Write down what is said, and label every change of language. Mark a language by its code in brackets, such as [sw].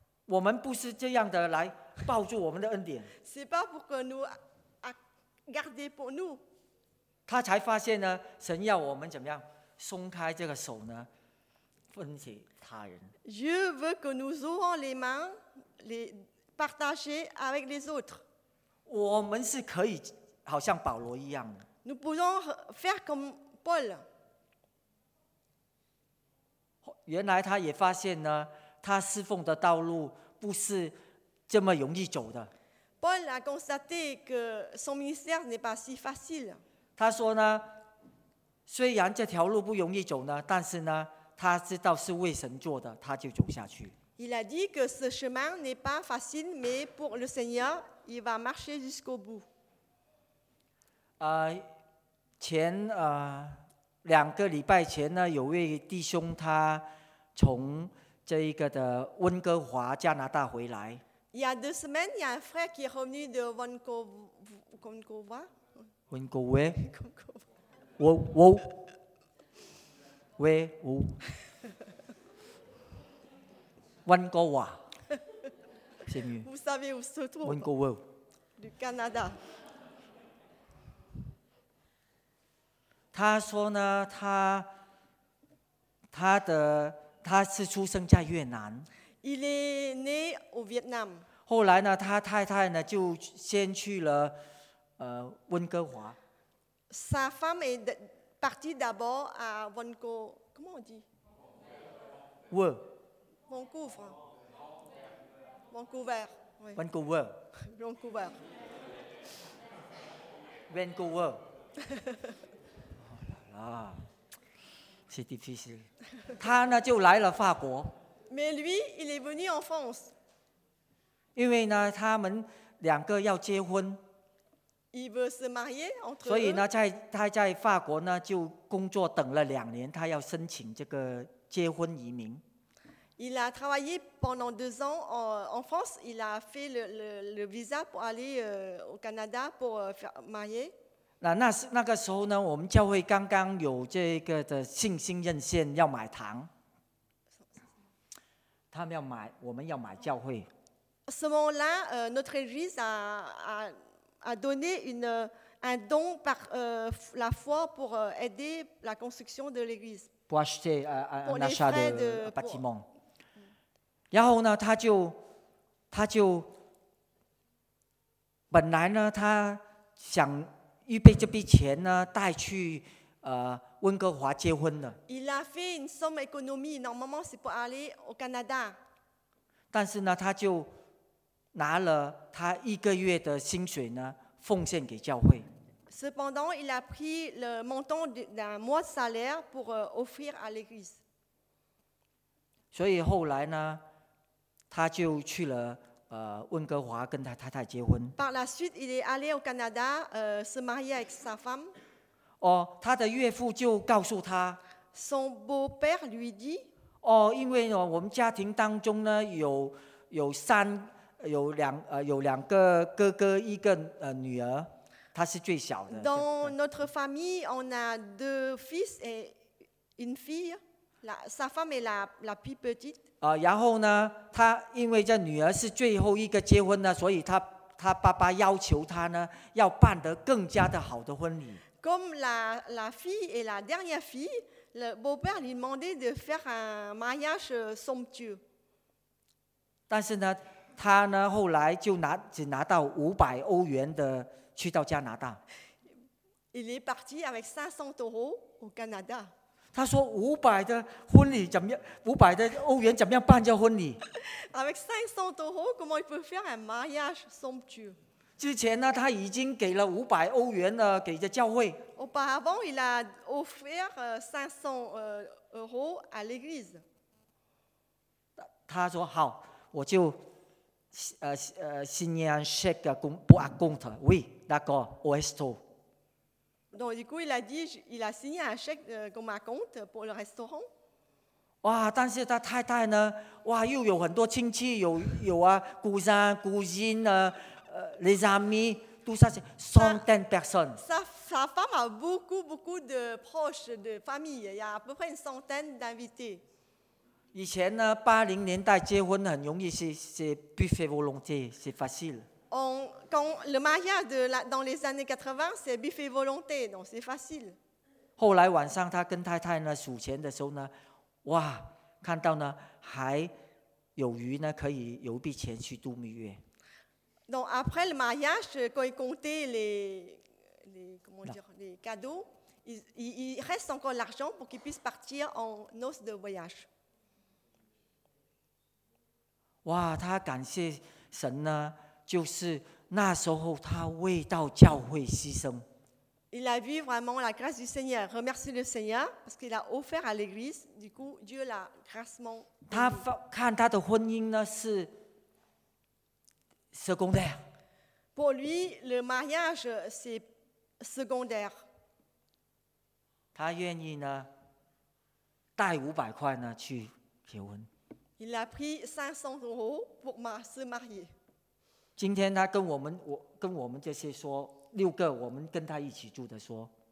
[zh] 我们不是这样的来抱住我们的恩典。 [fr] C'est pas pour que nous garder pour nous. [zh] 他才发现呢，神要我们怎么样松开这个手呢？分给他人。 [fr] Dieu veut que nous ouvrons les mains, les partager avec les autres. [zh] 我们是可以好像保罗一样的。 [fr] Nous pouvons faire comme Paul. [zh] 原来他也发现呢，他侍奉的道路不是这么容易走的。 [fr] Paul a constaté que son ministère n'est pas si facile. [zh] 他说呢，虽然这条路不容易走呢，但是呢，他知道是为神做的，他就走下去。 [fr] Il a dit que ce chemin n'est pas facile, mais pour le Seigneur, il va marcher jusqu'au bout. [zh] 前两个礼拜前呢，有位弟兄他从这一个的温哥华加拿大回来。 [fr] Il y a deux semaines, il y a un frère qui est revenu de Vancouver. C'est mieux. Vous savez où se trouve Vancouver. Du Canada. [zh] 他说呢，他是出生在越南。 [fr] Il est né au Vietnam. [zh] 后来呢，他太太呢就先去了，温哥华。 [fr] Sa femme est partie d'abord à Vancouver. Comment on dit? Vancouver. Vancouver. Vancouver. Vancouver. Vancouver. C'est difficile. [zh] 他呢就来了法国。 [fr] Mais lui, il est venu en France. [zh] 因为呢，他们两个要结婚。 [fr] Il veut se marier entre. [zh] 所以呢，他在法国呢就工作等了两年，他要申请这个结婚移民。 [fr] Il a travaillé pendant deux ans en France. Il a fait le visa pour aller au Canada pour marier. [zh] 那个时候呢，我们教会刚刚有这个的信心认线要买堂，他们要买，我们要买教会。 [fr] Ce moment-là, notre église a donné un don par la foi pour aider la construction de l'église. Pour acheter un achat de bâtiment. [zh] 然后呢，他就本来呢，他想预备这笔钱呢，带去温哥华结婚的。 [fr] Il a fait une somme économie. Normalement, c'est pour aller au Canada. [zh] 但是呢，他就拿了他一个月的薪水呢，奉献给教会。 [fr] Cependant, il a pris le montant d'un mois de salaire pour offrir à l'église. [zh] 所以后来呢，他就去了温哥华跟他太太结婚。 [fr] Par la suite, il est allé au Canada se marier avec sa femme. [zh] 哦，他的岳父就告诉他。 [fr] Son beau-père lui dit. [zh] 哦，因为哦，我们家庭当中呢有两个哥哥，一个女儿，她是最小的。 [fr] Dans notre famille, on a deux fils et une fille. Sa femme est la plus petite. [zh] 然后呢，他因为这女儿是最后一个结婚的，所以他爸爸要求他呢，要办得更加的好的婚礼。 [fr] Comme la fille est la dernière fille, le beau-père lui demandait de faire un mariage somptueux. [zh] 但是呢，他呢后来就只拿到500欧元的去到加拿大。 [fr] Il est parti avec 500 euros au Canada. [zh] 他说500的婚礼怎么样？500的欧元怎么样办这婚礼 [fr] ？Avec 500 euros, comment il peut faire un mariage somptueux? [zh] 之前呢，他已经给了500欧元了给这教会。 [fr] Auparavant, il a offert 500 euros à l'église. [zh] 他说好，我就。 [fr] Signer chèque pour un compte. Oui, d'accord, au resto. Donc, du coup, il a dit, il a signé un chèque comme un compte pour le restaurant. [zh] 哇，但是他太太呢，哇，又有很多亲戚，有啊，姑丈、姑婶啊， [fr] les amis, tout ça, c'est centaines de personnes. Sa femme a beaucoup, beaucoup de proches de famille. Il y a à peu près une centaine d'invités. [zh] 以前呢，八零年代结婚很容易， [fr] c'est buffet volonté, c'est facile. Quand le mariage dans les années 80, c'est buffet volonté, donc c'est facile. [zh] 后来晚上他跟太太呢数钱的时候呢，哇，看到呢还有余呢，可以有一笔钱去度蜜月。 [fr] Donc après le mariage, quand ils comptaient les cadeaux, il reste encore l'argent pour qu'ils puissent partir en noces de voyage. [zh] 哇，他感谢神呢，就是那时候他为到教会牺牲。 [fr] Il a vu vraiment la grâce du Seigneur, remercie le Seigneur parce qu'il a offert à l'Église. Du coup, Dieu l'a grassement. [zh] 他看他的婚姻呢是。Secondaire. [fr] Pour lui, le mariage, c'est secondaire. [zh] 他愿意呢，带500块呢，去结婚。 [fr] Il a pris 500 euros pour se marier. [zh] 今天他跟我们，我跟我们这些说，六个我们跟他一起住的说。